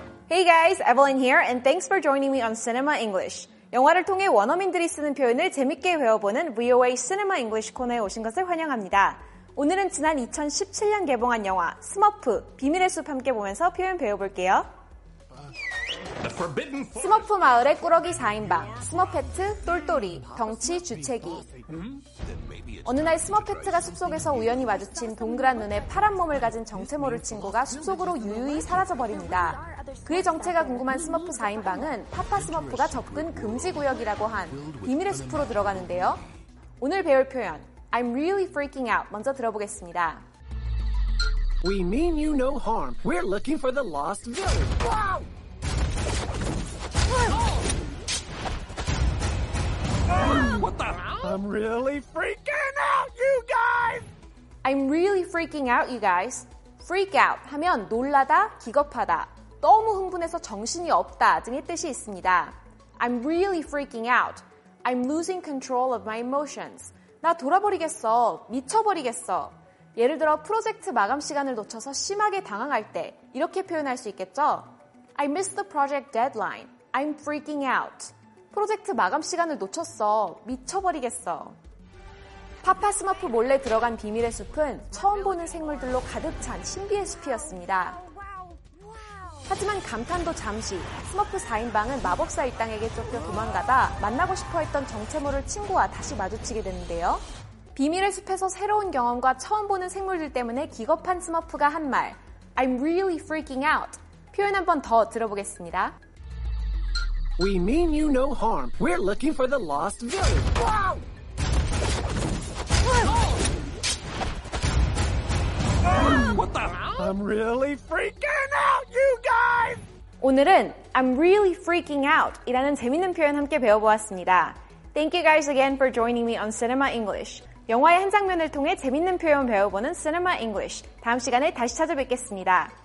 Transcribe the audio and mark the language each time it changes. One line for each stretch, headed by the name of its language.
English: Hey guys, Evelyn here, and thanks for joining me on Cinema English.
Korean: 영화를 통해 원어민들이 쓰는 표현을 재밌게 배워보는 VOA Cinema English 코너에 오신 것을 환영합니다. 오늘은 지난 2017년 개봉한 영화 스머프, 비밀의 숲 함께 보면서 표현 배워볼게요. 스머프 마을의 꾸러기 4인방, 스머페트, 똘똘이, 덩치, 주채기. 어느 날 스머페트가 숲속에서 우연히 마주친 동그란 눈에 파란 몸을 가진 정체모를 친구가 숲속으로 유유히 사라져버립니다. 그의 정체가 궁금한 스머프 4인방은 파파 스머프가 접근 금지 구역이라고 한 비밀의 숲으로 들어가는데요. 오늘 배울 표현,
English: I'm really freaking out
Korean: 먼저 들어보겠습니다.
English: We mean you no harm. We're looking for the lost village. Wow! 아! I'm really freaking out, you guys! I'm really freaking out, you guys.
Korean: Freak out 하면 놀라다, 기겁하다, 너무 흥분해서 정신이 없다 등의 뜻이 있습니다.
English: I'm really freaking out. I'm losing control of my emotions.
Korean: 나 돌아버리겠어, 미쳐버리겠어. 예를 들어 프로젝트 마감 시간을 놓쳐서 심하게 당황할 때 이렇게 표현할 수 있겠죠?
English: I missed the project deadline. I'm freaking out.
Korean: 프로젝트 마감 시간을 놓쳤어. 미쳐버리겠어. 파파 스머프 몰래 들어간 비밀의 숲은 처음 보는 생물들로 가득 찬 신비의 숲이었습니다. 하지만 감탄도 잠시. 스머프 4인방은 마법사 일당에게 쫓겨 도망가다 만나고 싶어했던 정체모를 친구와 다시 마주치게 되는데요. 비밀의 숲에서 새로운 경험과 처음 보는 생물들 때문에 기겁한 스머프가 한 말.
English: I'm really freaking out.
Korean: 표현 한 번 더 들어보겠습니다.
English: We mean you no harm. We're looking for the lost village. Wow! What the hell? I'm really freaking out, you guys!
Korean: 오늘은
English: I'm really freaking out
Korean: 이라는 재밌는 표현 함께 배워보았습니다.
English: Thank you guys again for joining me on Cinema English.
Korean: 영화의 한 장면을 통해 재밌는 표현 배워보는 Cinema English. 다음 시간에 다시 찾아뵙겠습니다.